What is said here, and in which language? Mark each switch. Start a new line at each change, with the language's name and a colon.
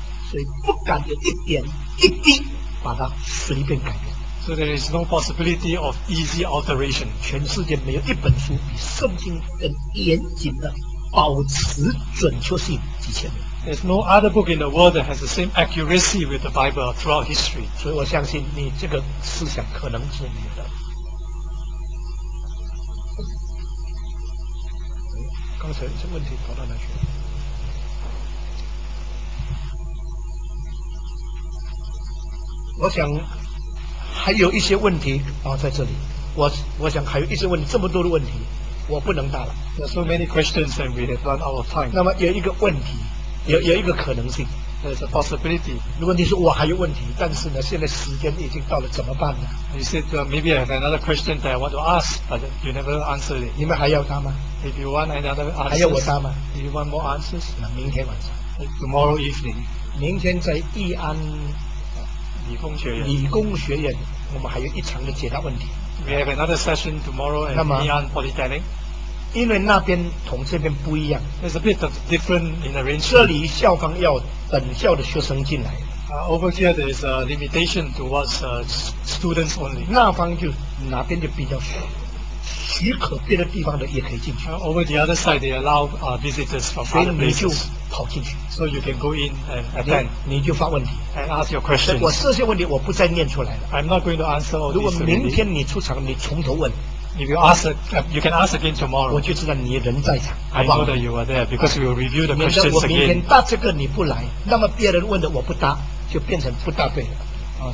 Chinese: 所以不敢有一点一滴把它随便改变。
English: So there is no possibility of easy alteration.
Chinese: 全世界没有一本书比圣经更严谨的。保持准确性几千年。
English: There's no other book in the world that has the same accuracy with the Bible throughout history.
Chinese: 所以我相信你这个思想可能是你的。刚才这问题跑到哪去了？我想还有一些问题在这里。我想还有一些问题，这么多的问题。我不能答了。
English: There are so many questions and we have run out of time.
Chinese: 那么有一个问题，有一个可能性。
English: There's a possibility.
Chinese: 如果你说我还有问题，但是呢，现在时间已经到了，怎么办呢
English: ？You said maybe I have another question that I want to ask, but you never answered it.
Chinese: 你们还要答吗
English: ？If you want another answer,
Chinese: 还要我答吗
English: ？If you want more answers,
Chinese: 那明天晚上。
English: Tomorrow evening.
Chinese: 明天在义安理工学院。理工学院，我们还有一场的解答问题。
English: We have another session tomorrow at Ngee Ann Polytechnic.
Chinese: 因为那边同这边不一样。
English: There's a bit of different in arrangement.
Chinese: 这里校方要本校的学生进来。
English: Over here there's a limitation towards students only.
Chinese: 那方就哪边就比较许可别的地方的也可以进去。
English: Over the other side they allow visitors from other places.
Chinese: 所以你就跑进去。
English: So you can go in and attend.
Chinese: 你就发问题。
English: And ask your questions.
Chinese: 我这些问题我不再念出来了。
English: I'm not going to answer all these questions.
Chinese: 如果明天你出场，你从头问。
English: If you ask, you can ask again tomorrow.
Chinese: 我就知道你人在场。
English: I know that you are there because we will review the questions again.
Chinese: 免得我明天答这个你不来，那么别人问的我不答，就变成不答对了。